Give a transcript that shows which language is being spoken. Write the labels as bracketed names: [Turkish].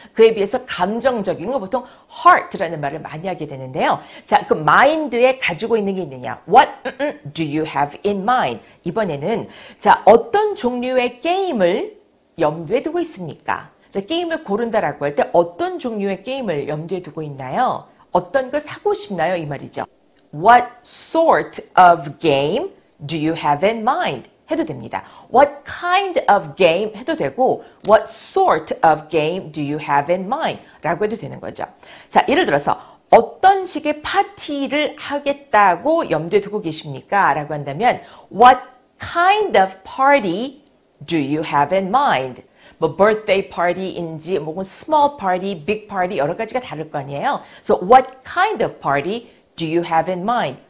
[Korean] 그에 비해서 감정적인 건 보통 heart라는 말을 많이 하게 되는데요. 자, 그 mind에 가지고 있는 게 있느냐? [English] What do you have in mind? [Korean] 이번에는 자, 어떤 종류의 게임을 염두에 두고 있습니까? 자, 게임을 고른다라고 할 때 어떤 종류의 게임을 염두에 두고 있나요? 어떤 걸 사고 싶나요? 이 말이죠. [English] What sort of game do you have in mind? [Korean] 해도 됩니다. [English] What kind of game? [Korean] 해도 되고 [English] What sort of game do you have in mind? [Korean] 라고 해도 되는 거죠. 자, 예를 들어서 어떤 식의 파티를 하겠다고 염두에 두고 계십니까? 라고 한다면 [English] What kind of party do you have in mind? [Korean] 뭐 birthday party인지 뭐 small party, big party 여러 가지가 다를 거 아니에요. [English] So what kind of party do you have in mind?